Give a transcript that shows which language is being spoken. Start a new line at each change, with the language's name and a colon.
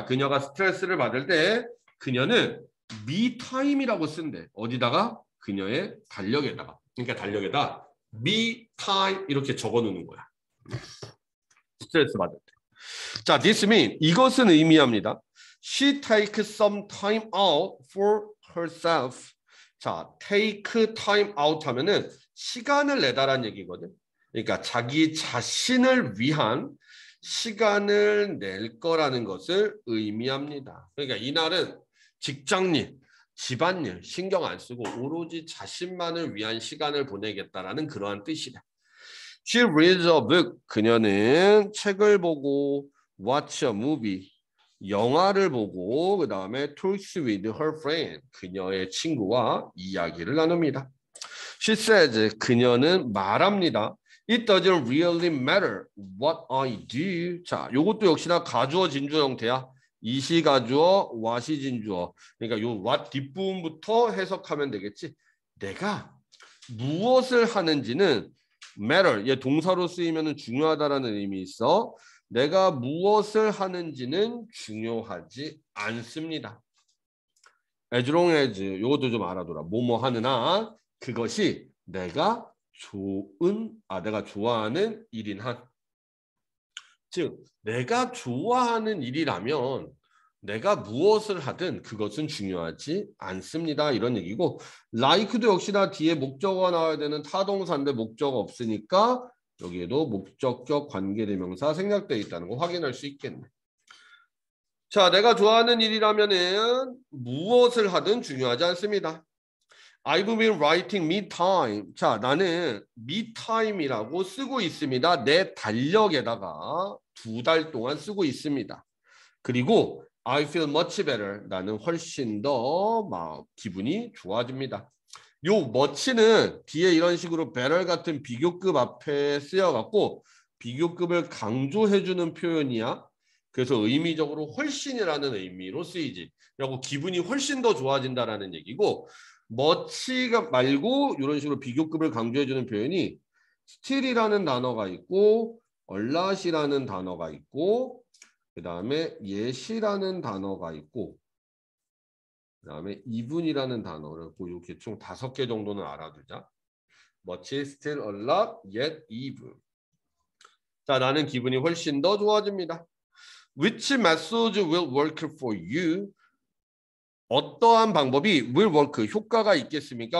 Korean: 자, 그녀가 스트레스를 받을 때 그녀는 me time이라고 쓴대. 어디다가? 그녀의 달력에다가. 그러니까 달력에다 me time 이렇게 적어 놓는 거야. 스트레스 받을 때. 자,
English: this mean
Korean: 이것은 의미합니다.
English: She takes some time out for herself.
Korean: 자, take time out 하면은 시간을 내다란 얘기거든. 그러니까 자기 자신을 위한 시간을 낼 거라는 것을 의미합니다. 그러니까 이날은 직장님 집안일 신경 안 쓰고 오로지 자신만을 위한 시간을 보내겠다라는 그러한 뜻이다.
English: She reads a book.
Korean: 그녀는 책을 보고,
English: watch a movie.
Korean: 영화를 보고, 그 다음에
English: talks with her friend.
Korean: 그녀의 친구와 이야기를 나눕니다.
English: She says,
Korean: 그녀는 말합니다.
English: It doesn't really matter what I do.
Korean: 자, 이것도 역시나 가주어 진주어 형태야. 이시 가주어, 와시 진주어. 그러니까 요 what 뒷부분부터 해석하면 되겠지. 내가 무엇을 하는지는 matter. 얘 동사로 쓰이면 중요하다라는 의미 있어. 내가 무엇을 하는지는 중요하지 않습니다.
English: As long as
Korean: 요것도 좀 알아둬라. 뭐뭐 하느나 그것이 내가 좋은, 아 내가 좋아하는 일인 한. 즉 내가 좋아하는 일이라면 내가 무엇을 하든 그것은 중요하지 않습니다. 이런 얘기고, like도 역시나 뒤에 목적어가 나와야 되는 타동사인데 목적어 없으니까 여기에도 목적격 관계대명사 생략되어 있다는 거 확인할 수 있겠네. 자, 내가 좋아하는 일이라면은 무엇을 하든 중요하지 않습니다.
English: I've been writing me time.
Korean: 자, 나는 me time이라고 쓰고 있습니다. 내 달력에다가 두달 동안 쓰고 있습니다. 그리고
English: I feel much better.
Korean: 나는 훨씬 더막 기분이 좋아집니다. 요 much는 뒤에 이런 식으로 better 같은 비교급 앞에 쓰여갖고 비교급을 강조해주는 표현이야. 그래서 의미적으로 훨씬이라는 의미로 쓰이지. 그리고 기분이 훨씬 더 좋아진다라는 얘기고, much가 말고 이런 식으로 비교급을 강조해주는 표현이 still이라는 단어가 있고, a lot이라는 단어가 있고, 그 다음에 yet이라는 단어가 있고, 그 다음에 even이라는 단어를 있고, 이렇게 총 다섯 개 정도는 알아두자.
English: much is still a lot, yet even.
Korean: 자, 나는 기분이 훨씬 더 좋아집니다.
English: which message will work for you?
Korean: 어떠한 방법이
English: will work,
Korean: 효과가 있겠습니까?